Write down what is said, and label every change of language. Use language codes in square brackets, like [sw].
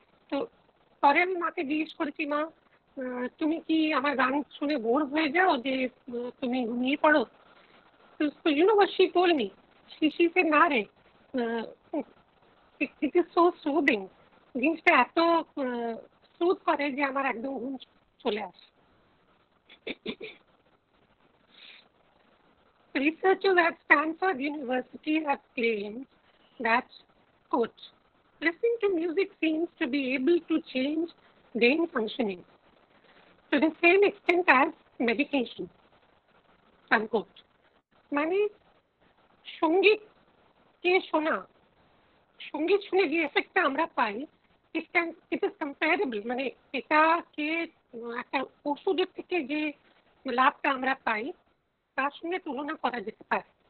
[bn] তো পরে আমি মাকে জিজ্ঞেস করেছি, মা তুমি কি আমার গান শুনে বোর হয়ে যাও যে তুমি ঘুমিয়ে পড়ো? তো ইউনো বা [en] she told me, she say [bn] না রে, [en] it is so soothing, [bn] জিনিসটা এত সুদ করে যে আমার একদম ঘুম চলে আসে। [en] Researchers at Stanford University have claimed that, quote, listening to music seems to be able to change brain functioning to the same extent as medication, unquote. [bn] মানে সঙ্গীতকে শোনা, সঙ্গীত শুনে যে এফেক্টটা আমরা পাই, [en] it is comparable, [bn] মানে এটাকে একটা ওষুধের থেকে যে লাভটা আমরা পাই তার সঙ্গে তুলনা করা যেতে পারে।